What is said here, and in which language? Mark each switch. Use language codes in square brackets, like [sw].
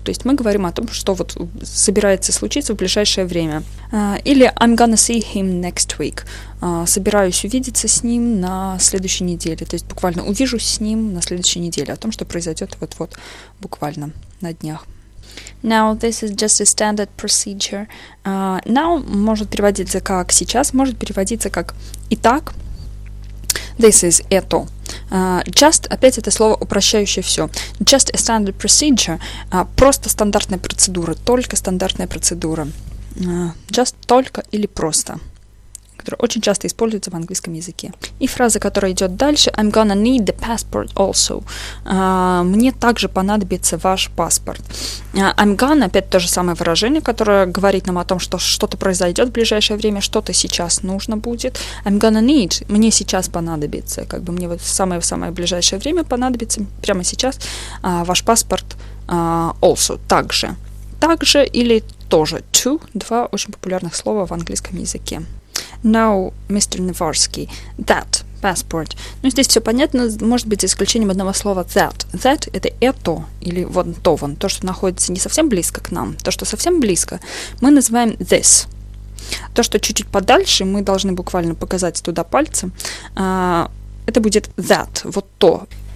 [ru] То есть мы говорим о том, что вот собирается случиться в ближайшее время. Или [en] I'm gonna see him next week, [ru] собираюсь увидеться с ним на следующей неделе. То есть буквально увижусь с ним на следующей неделе, о том, что произойдет вот-вот буквально на днях. [en] Now, this is just a standard procedure. [ru] Now может переводиться как «сейчас», может переводиться как «итак». [en] This is – [ru] это. Just – опять это слово, упрощающее все. [en] Just a standard procedure [ru] – просто стандартная процедура, только стандартная процедура. Just – только или просто, которая очень часто используется в английском языке. И фраза, которая идет дальше – [en] I'm gonna need the passport also. [ru] Мне также понадобится ваш паспорт. [en] I'm gonna [ru] – опять то же самое выражение, которое говорит нам о том, что что-то произойдет в ближайшее время, что-то сейчас нужно будет. [en] I'm gonna need [ru] – мне сейчас понадобится. Как бы мне вот в самое-самое ближайшее время понадобится прямо сейчас ваш паспорт also – также. Также или тоже – to – два очень популярных слова в английском языке. [en] Now, Mr. Navarsky, that passport. [ru] Ну, здесь все понятно, может быть, за исключением одного слова that. That – это «это» или «вон то», «вон», то, что находится не совсем близко к нам. То, что совсем близко, мы называем this. То, что чуть-чуть подальше, мы должны буквально показать туда пальцем, это будет that, вот то.